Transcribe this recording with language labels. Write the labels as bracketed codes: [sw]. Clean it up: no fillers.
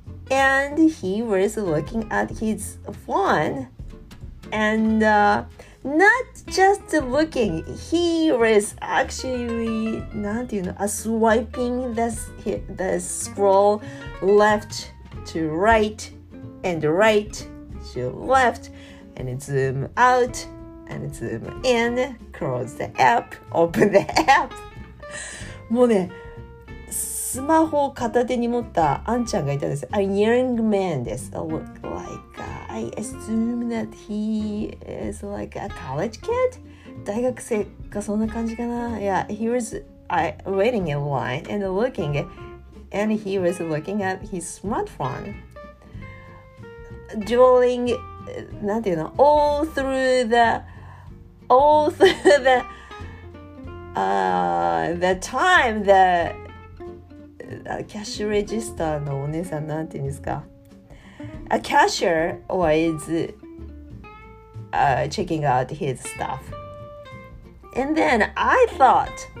[en] and he was looking at his phone, and、not just looking, he was actually [ja] 何て言うの、 [en] swiping the scroll leftTo right and right to left, and zoom out and zoom in, close the app, open the app. [ja] もうね、スマホを片手に持ったアンちゃんがいたんです。 [en] A young man [ja] です。 [en] I look like、I assume that he is like a college kid. [ja] 大学生かそんな感じかな。 [en] Yeah, he was waiting in line and looking. And he was looking at his smartphone, dwelling, all through the time the cash register [ja] のお姉さんなんていうんですか、 [en] a cashier was、checking out his stuff, and then I thought.